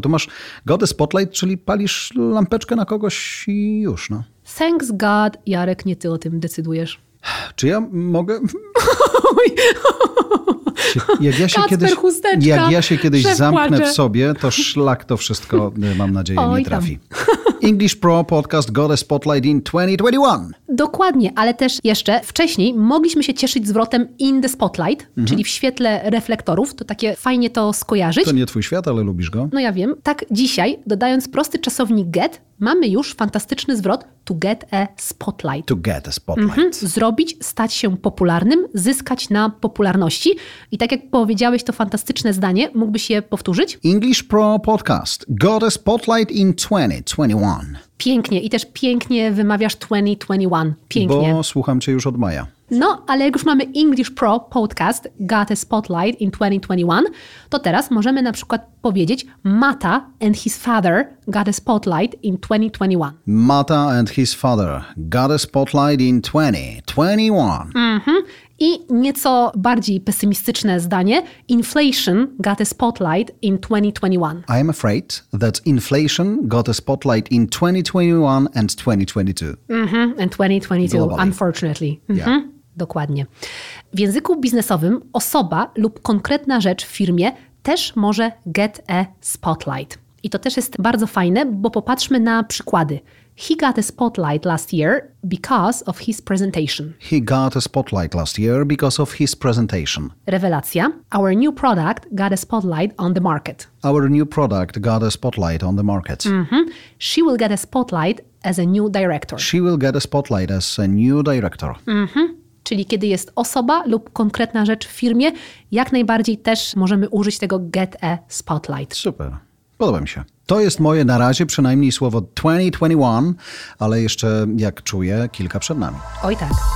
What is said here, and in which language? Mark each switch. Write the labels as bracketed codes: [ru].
[pl] Tu masz [en] got the spotlight, [pl] czyli palisz lampeczkę na kogoś i już, no. [en] Thanks God, [pl] Jarek, nie ty o tym decydujesz. Czy ja mogę? Jak ja się Kacper, kiedyś, chusteczka. Jak ja się kiedyś zamknę w sobie, to szlak to wszystko, mam nadzieję, nie trafi. [en] English Pro Podcast got a spotlight in 2021. [pl] Dokładnie, ale też jeszcze wcześniej mogliśmy się cieszyć zwrotem [en] in the spotlight, [pl] mhm. Czyli w świetle reflektorów. To takie fajnie to skojarzyć. To nie twój świat, ale lubisz go. No ja wiem. Tak dzisiaj, dodając prosty czasownik get, mamy już fantastyczny zwrot [en] to get a spotlight. To get a spotlight. Mhm. [pl] Zrobić, stać się popularnym, zyskać na popularności. I tak jak powiedziałeś to fantastyczne zdanie, mógłbyś je powtórzyć? [en] English Pro Podcast got a spotlight in 2021. [pl] Pięknie. I też pięknie wymawiasz 2021. Pięknie. Bo słucham cię już od maja. No, ale jak już mamy [en] English Pro Podcast got a spotlight in 2021, [pl] to teraz możemy na przykład powiedzieć [en] Mata and his father got a spotlight in 2021. Mata and his father got a spotlight in 2021. Mhm. [pl] I nieco bardziej pesymistyczne zdanie. [en] Inflation got a spotlight in 2021. I am afraid that inflation got a spotlight in 2021 and 2022. Mm-hmm. And 2022, globally. Unfortunately. Mm-hmm. Yeah. [pl] Dokładnie. W języku biznesowym osoba lub konkretna rzecz w firmie też może [en] get a spotlight. [pl] I to też jest bardzo fajne, bo popatrzmy na przykłady. [en] He got a spotlight last year because of his presentation. He got a spotlight last year because of his presentation. [pl] Rewelacja. [en] Our new product got a spotlight on the market. Our new product got a spotlight on the market. Mm-hmm. She will get a spotlight as a new director. She will get a spotlight as a new director. Mm-hmm. [pl] Czyli kiedy jest osoba lub konkretna rzecz w firmie, jak najbardziej też możemy użyć tego [en] get a spotlight. [pl] Super. Podoba mi się. To jest moje na razie przynajmniej słowo 2021, ale jeszcze, jak czuję, kilka przed nami. Oj tak.